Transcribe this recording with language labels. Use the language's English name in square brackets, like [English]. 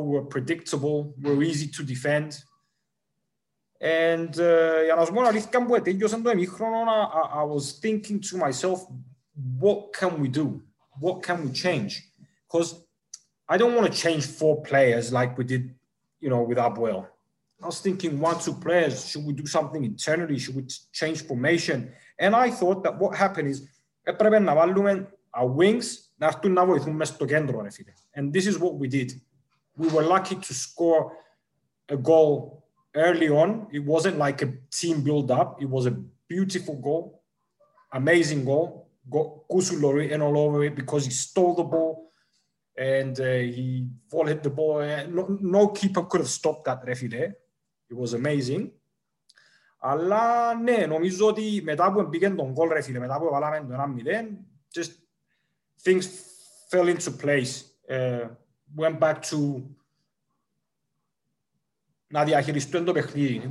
[English] We were predictable. We were easy to defend. And I was thinking to myself, what can we do? What can we change? Because I don't want to change 4 players like we did, you know, with Abuel. I was thinking 1-2 players, should we do something internally? Should we change formation? And I thought that what happened is [Greek] έπρεπε να βάλουμε [English] our wings [Greek] να έρθουν να βοηθούν μέσα στο κέντρο. [English] And this is what we did. We were lucky to score a goal early on. It wasn't like a team build-up. It was a beautiful goal, amazing goal. Got Kusu Lori and all over it because he stole the ball and he volleyed the ball. No keeper could have stopped that ref there. It was amazing. [Greek] Αλλά ναι, νομίζω ότι μετά που μπήκαν τον goal, ρεφίλε, μετά που βάλαμε τον 1-0, [English] just things fell into place. Went back to [Greek] να διαχειριστούν το παιχνίδι.